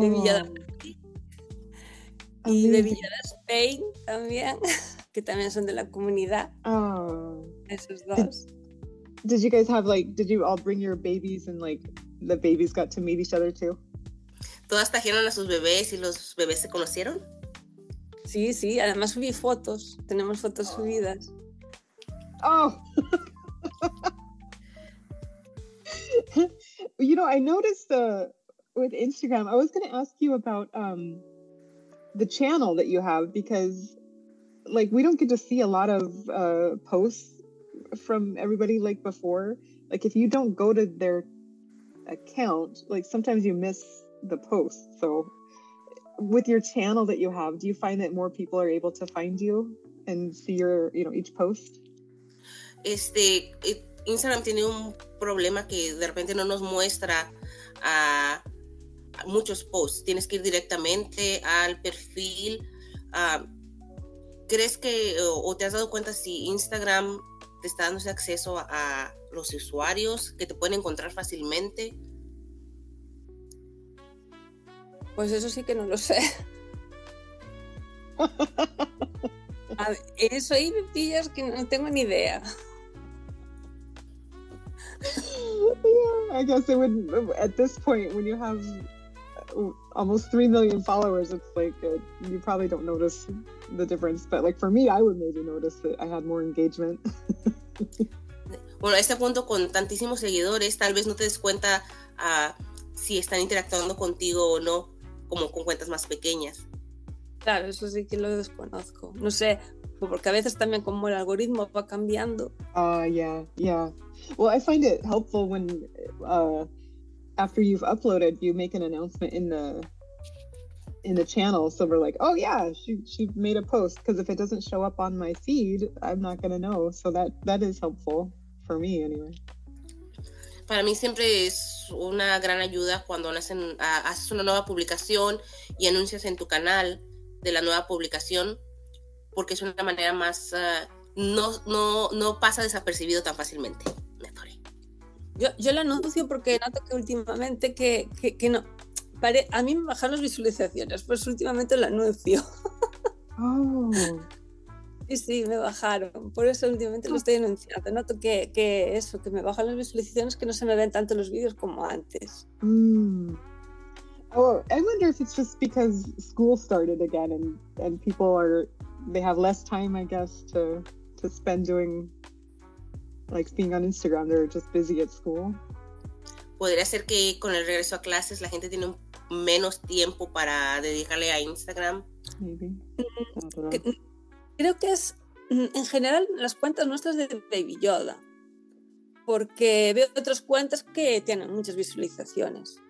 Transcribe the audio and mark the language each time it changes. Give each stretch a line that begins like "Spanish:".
Spanish: De Villa de y de Villa de Spain también, que también son de la comunidad, oh. Esos dos.
English: Did you guys have, like, did you all bring your babies and, like, the babies got to meet each other too?
Spanish: Todas trajeron a sus bebés y los bebés se conocieron. Sí, sí, además subí fotos. Tenemos fotos subidas. Oh.
English: You know, I noticed with Instagram, I was going to ask you about the channel that you have, because, like, we don't get to see a lot of posts from everybody, like, before. Like, if you don't go to their account, like, sometimes you miss the post, so... With your channel that you have, do you find that more people are able to find you and see your, you know, each post?
Spanish: Instagram tiene un problema que de repente no nos muestra a muchos posts. Tienes que ir directamente al perfil. ¿Crees que o te has dado cuenta si Instagram te está dando ese acceso a los usuarios que te pueden encontrar fácilmente? Pues eso sí que no lo sé. A ver, eso ahí me pillas que no tengo ni idea.
English: Yeah, I guess it would, at this point, when you have almost 3 million followers, it's like you probably don't notice the difference. But like for me, I would maybe notice that I had more engagement.
Spanish: Bueno, a este punto, con tantísimos seguidores, tal vez no te des cuenta si están interactuando contigo o no, como con cuentas más pequeñas. Claro, eso sí que lo desconozco. No sé, porque a veces también como el algoritmo va cambiando. Yeah.
English: Well, I find it helpful when after you've uploaded, you make an announcement in the channel, so we're like, oh yeah, she made a post, because if it doesn't show up on my feed, I'm not gonna know. So that is helpful for me anyway.
Spanish: Para mí siempre es una gran ayuda cuando haces una nueva publicación y anuncias en tu canal de la nueva publicación, porque es una manera más no pasa desapercibido tan fácilmente. Yo lo anuncio porque noto que últimamente que no. A mí me bajan las visualizaciones, pues últimamente lo anuncio. Oh. Sí, me bajaron. Por eso últimamente lo estoy anunciando. Noto que eso, que me bajan las visualizaciones, que no se me ven tanto los vídeos como antes. Mm.
English: Oh, I wonder if it's just because school started again and people are, they have less time, I guess, to spend doing, like being on Instagram, they're just busy at school.
Spanish: ¿Podría ser que con el regreso a clases la gente tiene menos tiempo para dedicarle a Instagram?
English: Maybe.
Spanish: Creo que es, en general, las cuentas nuestras de Baby Yoda. Porque veo otras cuentas que tienen muchas visualizaciones.